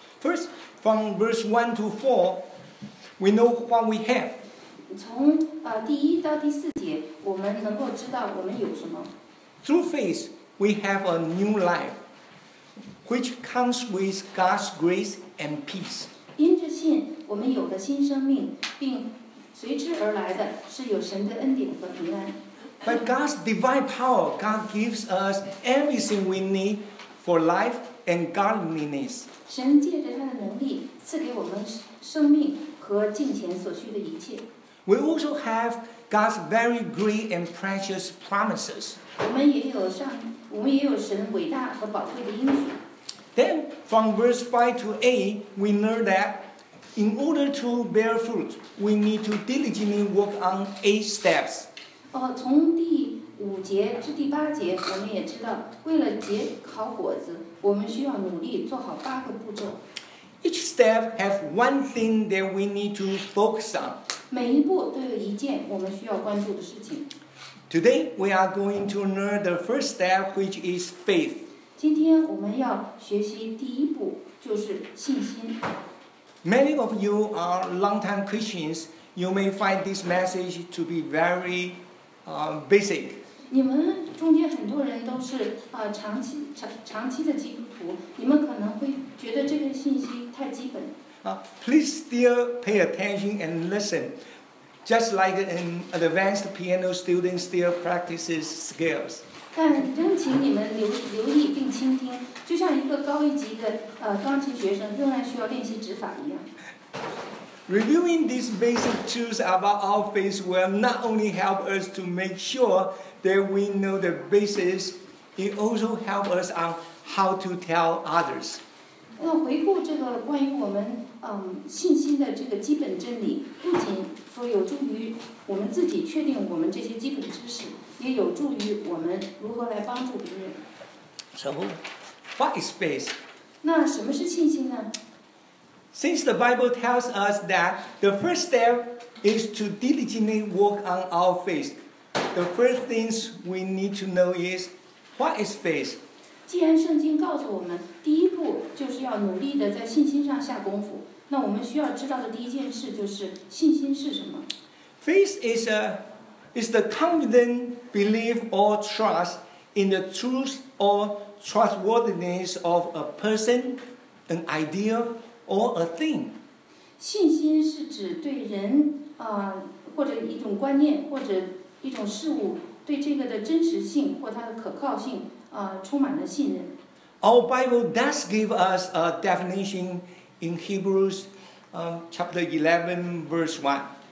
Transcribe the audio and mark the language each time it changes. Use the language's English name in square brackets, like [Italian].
[English] First, from verse 1 to 4, we know what we have. [Chinese] 从第一到第四节，我们能够知道我们有什么。 [English] Through faith, we have a new life, which comes with God's grace and peace. [Chinese] 因着信，我们有了新生命，并随之而来的是有神的恩典和平安。 [English] By God's divine power, God gives us everything we need for life and godliness. [Chinese] 神借着他的能力赐给我们生命和敬虔所需的一切。 [English] We also have God's very great and precious promises. [Chinese] 我们也有神伟大和宝贵的应许。 [English] Then, from verse 5 to 8, we learn that in order to bear fruit, we need to diligently work on 8 steps. [Chinese] 从第五节至第八节，我们也知道，为了结好果子，我们需要努力做好八个步骤。 [English] Each step has one thing that we need to focus on. [Chinese] 每一步都有一件我们需要关注的事情。 [English] Today, we are going to learn the first step, which is faith. [Chinese] 今天我们要学习第一步，就是信心。 [English] Many of you are long-time Christians. You may find this message to be very basic. [Chinese] 你们中间很多人都是长期的基督徒，你们可能会觉得这个信息太基本。 [English] Please still pay attention and listen, just like an advanced piano student still practices scales. [Chinese] 但仍请你们留意并倾听，就像一个高一级的钢琴学生仍然需要练习指法一样。 [English] Reviewing these basic truths about our faith will not only help us to make sure that we know the basics, it also helps us on how to tell others. [Chinese] 那回顾这个关于我们信心的这个基本真理，不仅说有助于我们自己确定我们这些基本知识，也有助于我们如何来帮助别人。 [English] So, what is faith? [Chinese] 那什么是信心呢？ [English] Since the Bible tells us that the first step is to diligently work on our faith, the first things we need to know is, what is faith? [Chinese] 既然圣经告诉我们，第一步就是要努力地在信心上下功夫，那我们需要知道的第一件事就是信心是什么。 [English] Faith is the confident belief or trust in the truth or trustworthiness of a person, an idea,or a thing. [Chinese] 信心是指对人或者一种观念或者一种事物对这个的真实性或它的可靠性充满了信任。 [English] Our Bible does give us a definition in Hebrews chapter 11 verse 1.